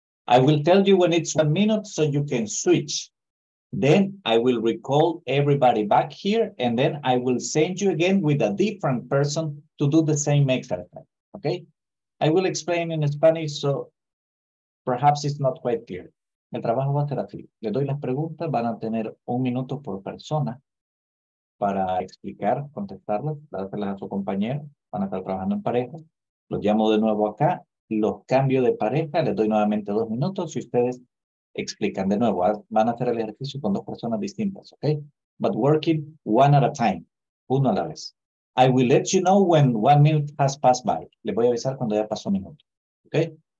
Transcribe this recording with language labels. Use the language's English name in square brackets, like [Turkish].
[English] I will tell you when it's 1 minute so you can switch. Then I will recall everybody back here, and then I will send you again with a different person to do the same exercise, okay? I will explain in Spanish, so perhaps it's not quite clear. [Spanish] El trabajo va a ser así. Le doy las preguntas, van a tener 1 minuto por persona para explicar, contestarlas, dárselas a su compañero, van a estar trabajando en pareja. Los llamo de nuevo acá, los cambio de pareja, les doy nuevamente 2 minutos y ustedes explican de nuevo. Van a hacer el ejercicio con 2 personas distintas, ¿ok? [English] But working one at a time, [Spanish] 1 a la vez. [English] I will let you know when 1 minute has passed by. [Spanish] Les voy a avisar cuando ya pasó un minuto, ¿ok?